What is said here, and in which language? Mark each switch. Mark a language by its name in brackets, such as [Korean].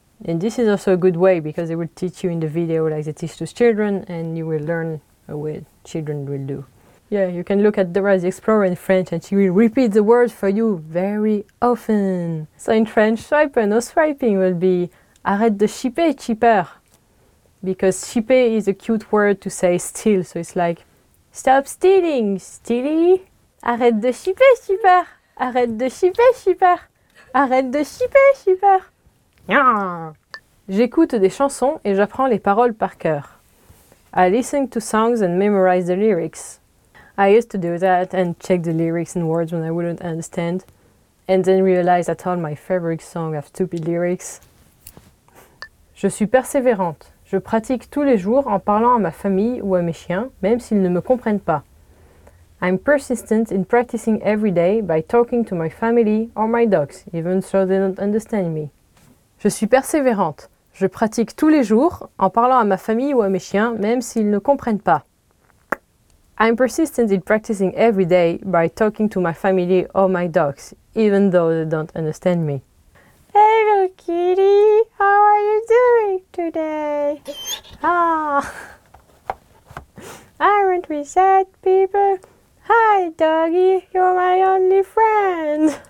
[English] And this is also a good way because they will teach you in the video like they teach to children and you will learn a way children will do. Yeah, you can look at Dora the Explorer in French and she will repeat the words for you very often. So in French, swiper, no swiping will be [French] arrête de chipper, chipper. [English] Because chipper is a cute word to say steal, so it's like stop stealing, steely. [French] Arrête de chipper, chipper. Arrête de chipper, chipper. Arrête de chipper, chipper. J'écoute des chansons et j'apprends les paroles par cœur. [English] I listen to songs and memorize the lyrics. I used to do that and check the lyrics and words when I wouldn't understand and then realize that all my favorite songs have stupid lyrics. [French] Je suis persévérante. Je pratique tous les jours en parlant à ma famille ou à mes chiens, même s'ils ne me comprennent pas. [English] I'm persistent in practicing every day by talking to my family or my dogs, even though they don't understand me. [French] Je suis persévérante. Je pratique tous les jours en parlant à ma famille ou à mes chiens, même s'ils ne comprennent pas. [English] I'm persistent in practicing every day by talking to my family or my dogs, even though they don't understand me. Hello kitty, how are you doing today? Aren't we sad people? Hi doggy, you're my only friend.